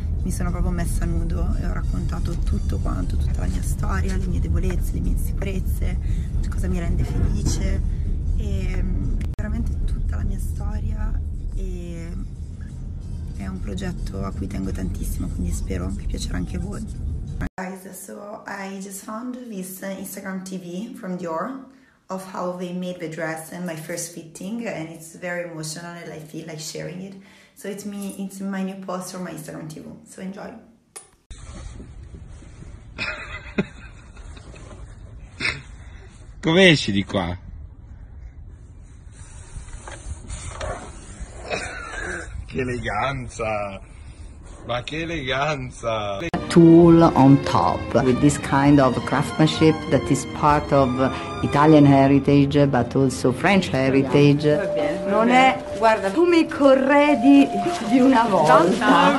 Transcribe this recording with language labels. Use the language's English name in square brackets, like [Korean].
[Italian] Mi sono proprio messa nudo e ho raccontato tutto quanto, tutta la mia storia, le mie debolezze, le mie insicurezze, cosa mi rende felice e veramente tutta la mia storia, e è un progetto a cui tengo tantissimo, quindi spero che piacerà anche a voi. [English] Guys, so I just found this Instagram TV from Dior of how they made the dress and my first fitting, and it's very emotional and I feel like sharing it. So it's my new post for my Instagram TV. So enjoy. [Italian] Come esci di qua? Che eleganza! Ma che eleganza! [English] Tool on top with this kind of craftsmanship that is part of Italian heritage but also French heritage. [Italian] Non è, guarda, come corredi di una volta.